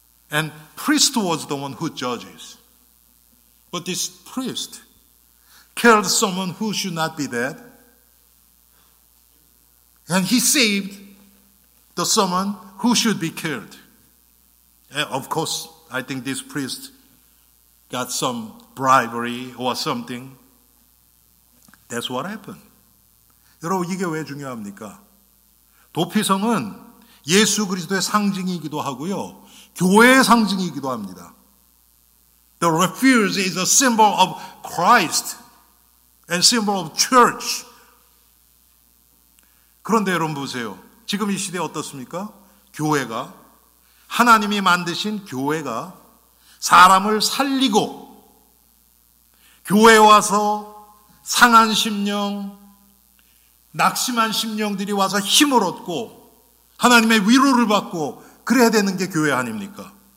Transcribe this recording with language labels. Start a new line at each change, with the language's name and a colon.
English: And priest was the one who judges. But this priest killed someone who should not be dead. And he saved the someone who should be killed. And of course, I think this priest got some bribery or something. That's what happened.
Korean: 여러분, 이게 왜 중요합니까? 도피성은 예수 그리스도의 상징이기도 하고요. 교회의 상징이기도 합니다.
English: The refuge is a symbol of Christ and symbol of church.
Korean: 그런데 여러분 보세요. 지금 이 시대 어떻습니까? 교회가, 하나님이 만드신 교회가 사람을 살리고 교회에 와서 상한 심령, 낙심한 심령들이 와서 힘을 얻고 하나님의 위로를 받고 그래야 되는 게 교회 아닙니까?